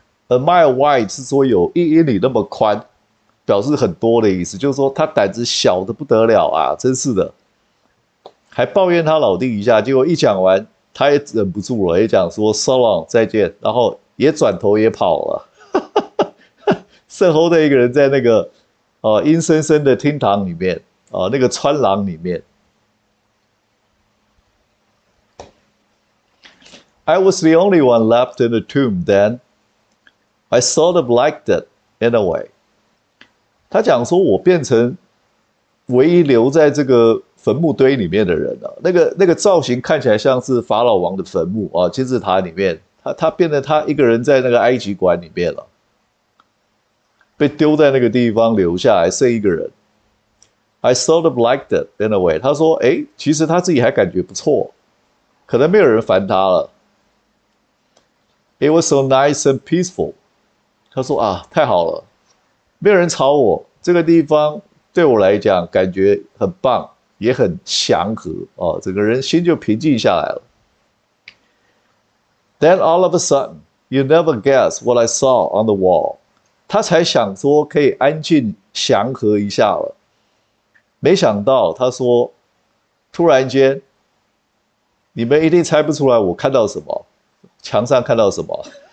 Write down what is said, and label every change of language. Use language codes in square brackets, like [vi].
[en] A mile wide [zh] 是说有1英里那么宽，表示很多的意思，就是说他胆子小得不得了啊，真是的，还抱怨他老弟一下，结果一讲完，他也忍不住了，也讲说 [en] "so long [zh] 再见"，然后也转头也跑剩后的一个人在那个阴森森的厅堂里面，那个穿廊里面。 [en] I was the only one left in the tomb then. I sort of liked it in a way. [zh] 他讲说，我变成唯一留在这个坟墓堆里面的人了、啊。那个造型看起来像是法老王的坟墓啊，金字塔里面，他变得他一个人在那个埃及馆里面了，被丢在那个地方留下来，剩一个人。 [en] I sort of liked it in a way. [zh] 他说，诶，其实他自己还感觉不错，可能没有人烦他了。 [en] It was so nice and peaceful. [zh] 他说啊，太好了，没有人吵我。这个地方对我来讲感觉很棒，也很祥和哦，整个人心就平静下来了。 [en] Then all of a sudden, you never guess what I saw on the wall. [zh] 他才想说可以安静祥和一下了，没想到他说，突然间，你们一定猜不出来我看到什么。墙上看到什么？